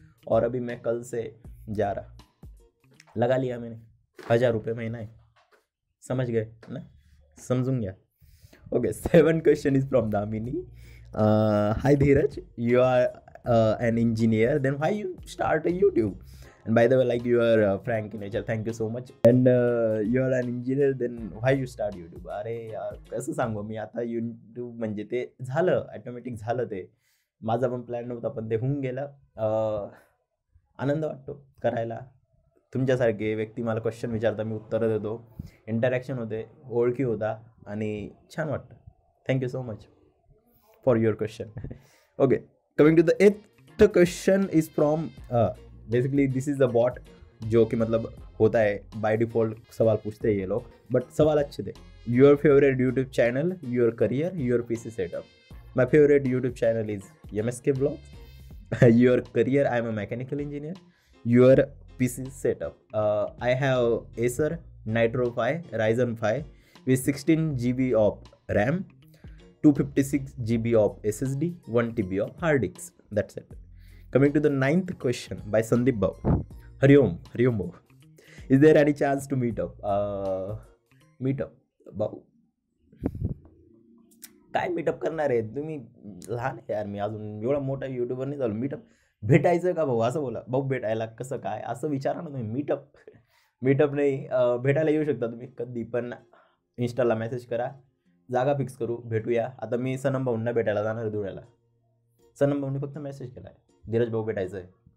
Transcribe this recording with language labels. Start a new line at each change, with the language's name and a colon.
Hindi: और अभी मैं कल से जा रहा, लगा लिया मैंने, 1000 रुपये महीना है, समझ गए ना, समझूँ गया.
English: Okay, seven question is from Damini. Hi Dheeraj, you are an engineer, then why you start a YouTube? And by the way like you are frank in nature, thank you so much. And you are an engineer then why you start YouTube?
Marathi: अरे यार कसं सांगू मी आता, YouTube म्हणजे ते झालं, ॲटोमॅटिक झालं, ते माझा पण प्लॅन नव्हता पण ते होऊन गेलं. आनंद वाटतो करायला, तुमच्यासारखे व्यक्ती मला क्वेश्चन विचारता, मी उत्तर देतो, इंटरॅक्शन होते, ओळखी होता आणि छान वाटतं.
English: Thank you so much for your question. Okay, coming to the eighth question is from basically this is the bot
Hindi: जो कि मतलब होता है बाय डिफॉल्ट सवाल पूछते हैं ये लोग, बट सवाल अच्छे थे।
English: Your favourite YouTube channel, your career, your PC setup. My favourite YouTube channel is MSK blog. Your career, I am a mechanical engineer. Your PC setup, I have Acer Nitro 5 Ryzen 5 with 16 GB of RAM, 256 GB of SSD, 1 TB of hard disk. That's it. Coming to the 9th question by Sandeep Bhav. Hariom, Hariom Bhav. Is there any chance to meet up?
Marathi: Meet up भाव, काय meetup करणार आहे तुम्ही? लहान आहे यार मी, अजून एवढा मोठा यूट्यूबर नाही झालो। मीटअप भेटायचं का भाऊ? असं बोला भाऊ, भेटायला कसं काय असं विचारा ना तुम्ही। मीटअप मीटअप नाही, भेटायला येऊ शकता तुम्ही कधी पण। इंस्टाला मेसेज करा, जागा फिक्स करू, भेटूया। आता मी सनम भाऊंना भेटायला जाणार धुळ्याला। सनम भाऊंनी फक्त मेसेज केला आहे, धीरज भाऊ भेटायचं आहे।